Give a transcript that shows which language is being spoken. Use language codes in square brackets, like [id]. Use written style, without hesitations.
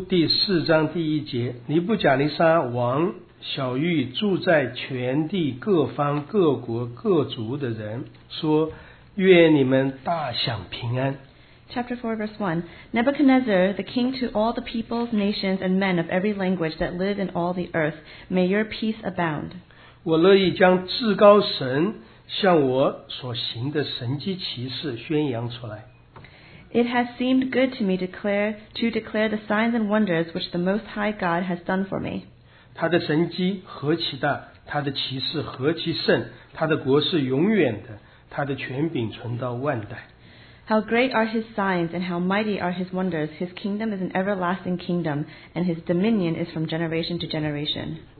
[zh] 但以理书第四章第一节, 尼布甲尼撒王晓谕住在全地各方各国各族的人, 说愿你们大享平安。 [en] Chapter 4, verse 1. Nebuchadnezzar, the king to all the peoples, nations, and men of every language that live in all the earth, may your peace abound. [zh] 我乐意将至高神向我所行的神迹奇事宣扬出来。 [en] It has seemed good to me to declare the signs and wonders which the Most High God has done for me. [zh] 他的神迹何其大, 他的奇事何其甚, 他的国是永远的, 他的权柄存到万代。 [en] How great are his signs and how mighty are his wonders. His kingdom is an everlasting kingdom and his dominion is from generation to generation.